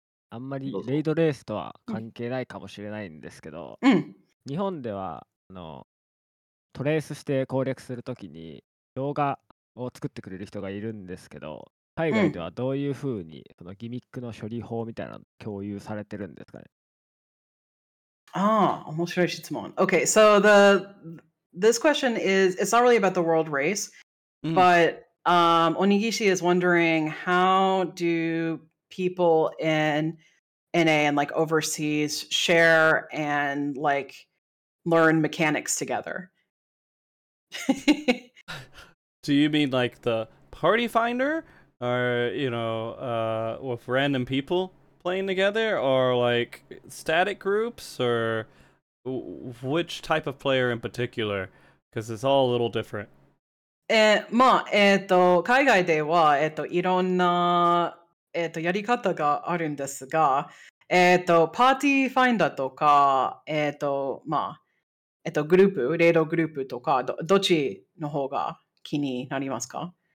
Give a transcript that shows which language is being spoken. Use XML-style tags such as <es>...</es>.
<ja>あんまりレイドレースとは関係ないかもしれないんですけど、日本ではトレースして攻略するときに動画を作ってくれる人がいるんですけど、海外ではどういうふうにそのギミックの処理法みたいなの共有されてるんですかね。ああ、面白い質問。</ja> <en>Okay, so this question is, it's not really about the world race, but Onigishi is wondering how do people in NA and like overseas share and like learn mechanics together. Do you mean like the party finder, or you know, with random people playing together, or like static groups, or which type of player in particular? Because it's all a little different.</en> <ja>まあ、海外では、いろんなやり方があるんですが、パーティーファインダーとか、まあ、グループ、レイドグループとか、どっちの方が気になりますか？</ja>